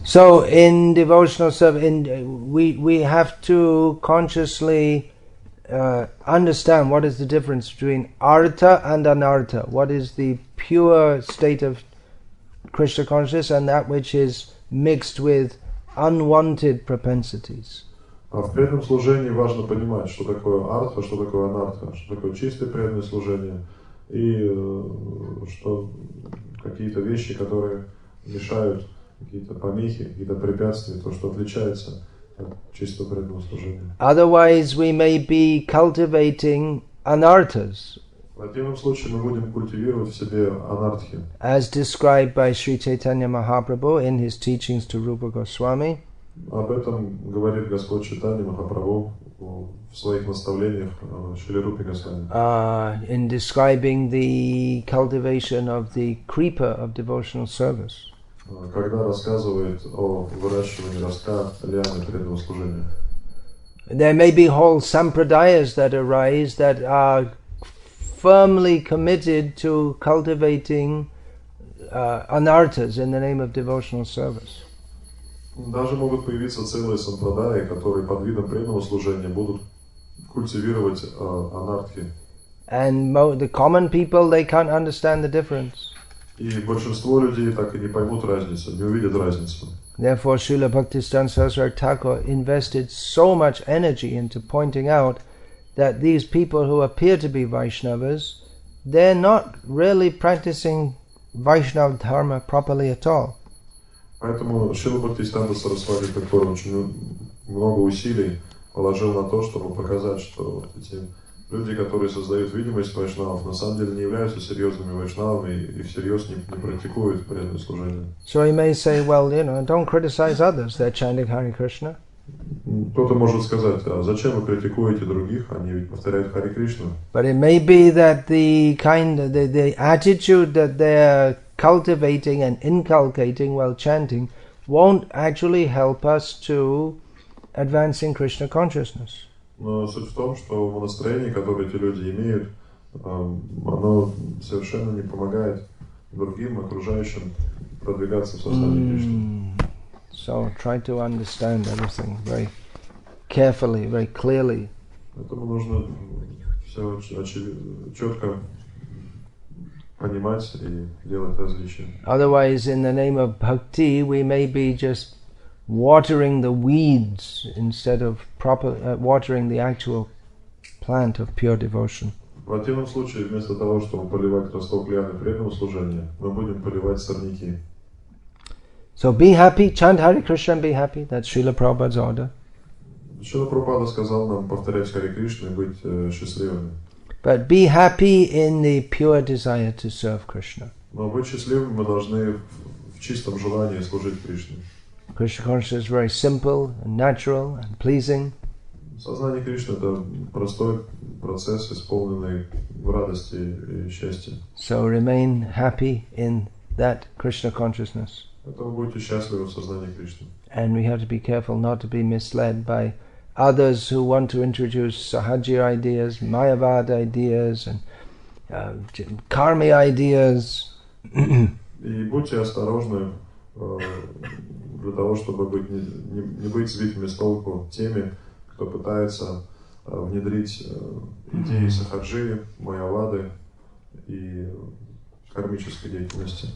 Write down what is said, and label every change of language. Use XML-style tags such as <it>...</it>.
<en>So in devotional service, we have to consciously understand what is the difference between artha and anartha. What is the pure state of Krishna consciousness and that which is mixed with unwanted propensities.</en> <ru>А в преданном служении важно понимать, что такое артха, что такое анартха, что такое чистое преданное служение и что какие-то вещи, которые мешают, какие-то помехи, какие-то препятствия, то, что отличается от чистого преданного служения.</ru> <en>Otherwise we may be cultivating anarthas.</en> <ru>В противном случае мы будем культивировать в себе анартхи.</ru> <en>As described by Sri Chaitanya Mahaprabhu in his teachings to Rupa Goswami.</en> <ru>Об этом говорит Господь Чайтанья Махапрабху в своих наставлениях Шри Рупе Госвами.</ru> <en>In describing the cultivation of the creeper of devotional service.</en> <ru>Когда рассказывает о выращивании ростка лианы преданного служения.</ru> <en>There may be whole sampradayas that arise that are firmly committed to cultivating anarthas in the name of devotional service.</en> <ru>Даже могут появиться целые сампрадаи, которые под видом преданного служения будут культивировать анартхи.</ru> <en>And the common people, they can't understand the difference.</en> <ru>И большинство людей так и не поймут разницу, не увидят разницу.</ru> <en>Therefore, Srila Bhaktisiddhanta Sarasvati Thakur invested so much energy into pointing out that these people who appear to be Vaishnavas, they're not really practicing Vaishnava Dharma properly at all.</en> <ru>Поэтому Шрила Бхактисиддханта Сарасвати Такур очень много усилий положил на то, чтобы показать, что вот эти люди, которые создают видимость вайшнавов, на самом деле не являются серьезными вайшнавами и всерьез не практикуют преданное служение.</ru> <en>So he may say, well, you know, don't criticize others, they're chanting Hare Krishna.</en> <ru>Кто-то может сказать, а зачем вы критикуете других, они ведь повторяют Хари Кришну.</ru> <en>But it may be that the kind of the attitude that they're cultivating and inculcating while chanting won't actually help us to advance in Krishna consciousness.</en> <ru>Но суть в том, что настроение, которое эти люди имеют, оно совершенно не помогает другим окружающим продвигаться в сознании Кришны.</ru> <en>So try to understand everything very carefully, very clearly.</en> <ru>Поэтому нужно все четко понимать и делать различия.</ru> <en>Otherwise, in the name of bhakti, we may be just watering the weeds instead of proper watering the actual plant of pure devotion.</en> <ru>В противном случае, вместо того, чтобы поливать росток лианы преданного служения, мы будем поливать сорняки.</ru> <en>So be happy, chant Hare Krishna and be happy. That's Srila Prabhupada's order.</en> <ru>Srila Prabhupada сказал нам повторять Hare Krishna и быть счастливыми.</ru> <en>But be happy in the pure desire to serve Krishna.</en> <ru>Но быть счастливыми мы должны в чистом желании служить Кришне.</ru> <en>Krishna consciousness is very simple and natural and pleasing.</en> <ru>Сознание Кришны — это простой процесс, исполненный в радости и счастье.</ru> <en>So remain happy in that Krishna consciousness.</en> <ru>Поэтому будьте счастливы в сознании Кришны.</ru> <en>And we have to be careful not to be misled by others who want to introduce sahaji ideas, mayavad ideas, and karmi ideas.</en> <ru>И будьте осторожны для того, чтобы быть не быть сбитыми с толку теми, кто пытается внедрить идеи сахаджи, майявады и кармической деятельности.</ru>